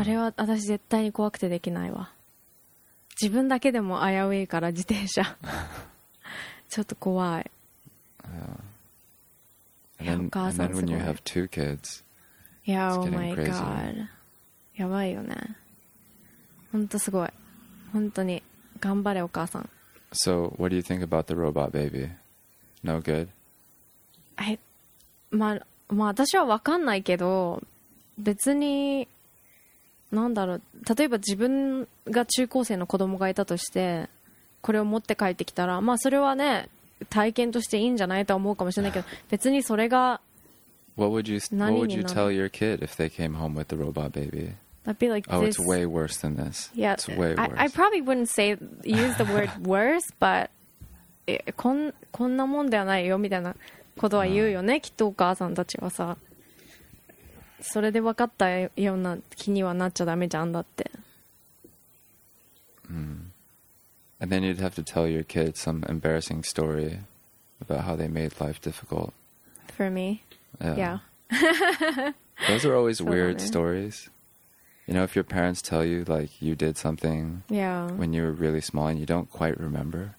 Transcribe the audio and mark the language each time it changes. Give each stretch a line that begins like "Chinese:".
Japanese: あれは私絶対に怖くてできないわ。自分だけでも危ういから自転車。ちょっと怖い。
English: And then when you have two kids, yeah, oh my god,
Japanese: やばいよね。本当すごい。本当に頑張れお母さん。
English: So what do you think about the robot baby? No good?
Japanese: まあ私は分かんないけど、別に何だろう。例えば自分が中高生の子供がいたとして、これを持って帰ってきたら、まあそれはね。体験としていいんじゃないと思うかもしれないけど、別にそれが何になる。
English: What would you tell your kid if they came home with the robot baby? I'd be like, oh, it's way worse than this. Yeah, it's way worse. I probably wouldn't use the word worse, but
Japanese: こんなもんではないよみたいなことは言うよね。きっとお母さんたちはさ、それで分かったような気にはなっちゃダメじゃんだって。
English: And then you'd have to tell your kid some embarrassing story about how they made life difficult. For me? Yeah. Those are always weird stories. You know, if your parents tell you, like, you did something when you were really small and you don't quite remember.